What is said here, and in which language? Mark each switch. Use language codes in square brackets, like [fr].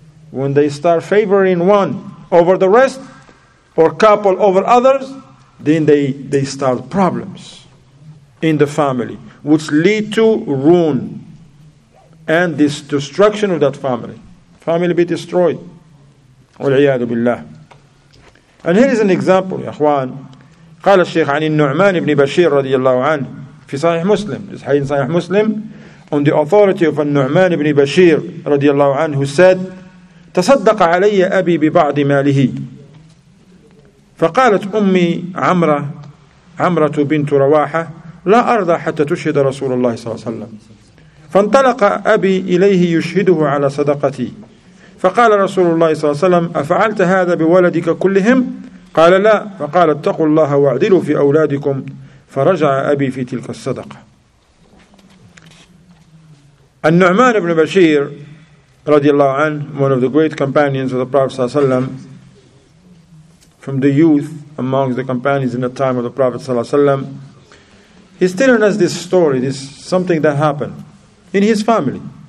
[en] When they start favoring one over the rest, or couple over others, then they start problems in the family, which lead to ruin and this destruction of that family. Family be destroyed. [ar] وَالْعِيَادُ بِاللَّهِ. [en] And here is an example, [ar] يا أخوان. قال الشيخ عن النعمان بن بشير رضي الله عنه في صحيح مسلم. [en] This is in صحيح مسلم. On the authority of [ar] النعمان بن بشير رضي الله عنه, [en] who said, [ar] تصدق علي أبي ببعض ماله. فقالت أمي عمرة بنت رواحة, لا أرضى حتى تشهد رسول الله صلى الله عليه وسلم. فانطلق أبي إليه يشهده على صدقتي. فقال رسول الله صلى الله عليه وسلم, أفعلت هذا بولدك كلهم؟ قال لا. فقال, اتقوا الله واعدلوا في أولادكم. فرجع أبي في تلك الصدقة. [en] النعمان بن بشير رضي الله عنه, one of the great companions of the Prophet صلى الله عليه وسلم, from the youth amongst the companions in the time of the Prophet صلى الله عليه وسلم, He's telling us this story, this something that happened in his family.